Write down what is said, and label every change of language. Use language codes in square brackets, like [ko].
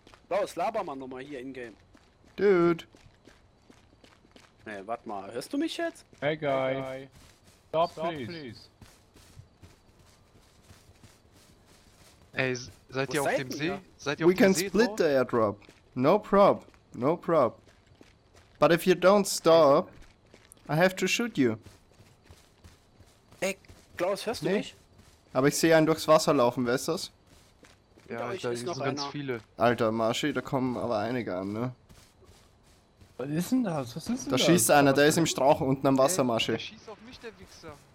[de] Los, laber mal nochmal hier in-game. [en] Dude. [de] Ne, warte mal, hörst du mich jetzt? [en] Hey, guy. Hey, guy. Stop please. [de] Ey, seid ihr auf dem See? Seid ihr auf dem See? [en] We can split the airdrop. No prob. But if you don't stop, I have to shoot you. [de] Ey, Klaus, hörst du mich? Aber ich sehe einen durchs Wasser laufen, wer ist das? Ja, da sind noch ganz viele. Alter, Marshy, da kommen aber einige an, ne? Was ist denn das? Was ist denn da? Da schießt einer, der ist im Strauch unten am Wasser, Marshy. Der schießt auf mich, der Wichser.